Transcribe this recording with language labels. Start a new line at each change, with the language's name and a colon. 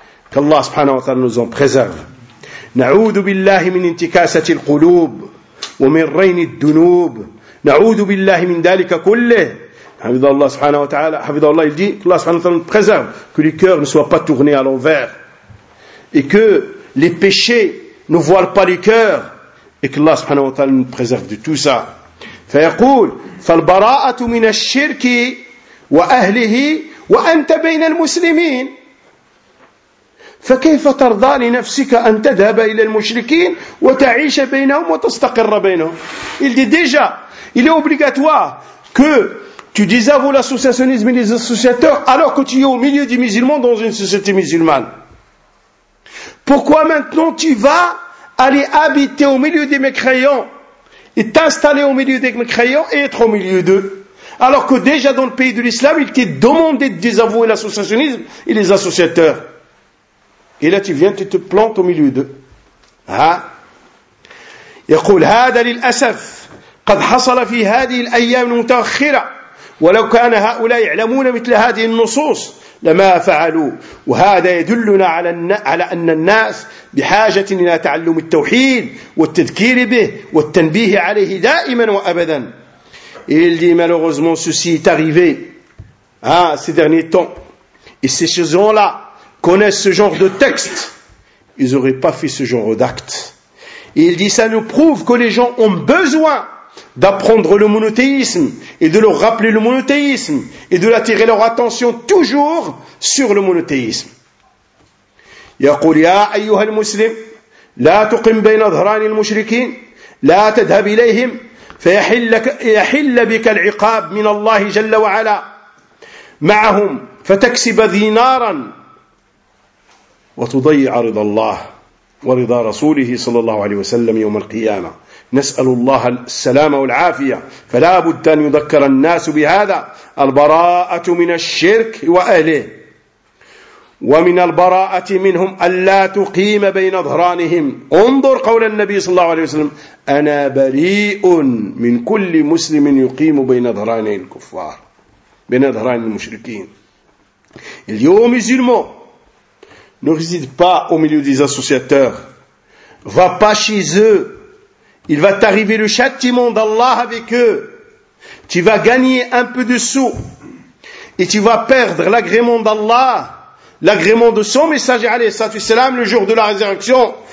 French: Qu'Allah subhanahu wa ta'ala nous en préserve.
Arabic: نعوذ بالله من انتكاسة القلوب ومن رين الذنوب نعوذ بالله من ذلك كله حفظ الله
French: سبحانه وتعالى حفظ الله il dit
Arabic: الله سبحانه وتعالى
French: préserve que les cœurs ne soient pas tournés à l'envers et que les péchés ne voilent pas les cœurs et que الله سبحانه وتعالى nous préserve de tout ça.
Arabic: فيقول فالبراءة من الشرك وأهله وأنت بين المسلمين فكيف ترضى لنفسك أن تذهب إلى المشركين وتعيش بينهم وتستقر بينهم.
French: Il dit déjà, il est obligatoire que tu désavoues l'associationnisme et les associateurs alors que tu es au milieu des musulmans dans une société musulmane. Pourquoi maintenant tu vas aller habiter au milieu des mécréants et t'installer au milieu des mécréants et être au milieu d'eux alors que déjà dans le pays de l'islam il t'est demandé de désavouer l'associationnisme et les associateurs. Et là tu viens, tu te plantes au milieu d'eux.
Arabic: يقول هذا للأسف قد حصل في هذه الأيام المتأخرة ولو كان هؤلاء يعلمون مثل هذه النصوص لما فعلوا وهذا يدلنا على أن الناس بحاجة إلى تعلم التوحيد والتذكير به والتنبيه عليه دائما وأبدا.
French: Il dit malheureusement ceci est arrivé ces derniers temps et ces gens-là connaissent ce genre de texte, ils n'auraient pas fait ce genre d'acte. Et il dit, ça nous prouve que les gens ont besoin d'apprendre le monothéisme et de leur rappeler le monothéisme et de l'attirer leur attention toujours sur le monothéisme.
Arabic: يقول يا أيها المسلم لا تقم بين ظهران المشركين لا تذهب إليهم فيحل بك العقاب من الله جل وعلا معهم فتكسب دينارا وتضيع رضا الله ورضا رسوله صلى الله عليه وسلم يوم القيامة نسأل الله السلام والعافية فلا بد أن يذكر الناس بهذا البراءة من الشرك وأهله ومن البراءة منهم ألا تقيم بين ظهرانهم انظر قول النبي صلى الله عليه وسلم أنا بريء من كل مسلم يقيم بين ظهران الكفار بين ظهران المشركين اليوم الزلمو.
French: Ne réside pas au milieu des associateurs. Va pas chez eux. Il va t'arriver le châtiment d'Allah avec eux. Tu vas gagner un peu de sous. Et tu vas perdre l'agrément d'Allah. L'agrément de son messager, alayhi salatu wassalam, le jour de la résurrection.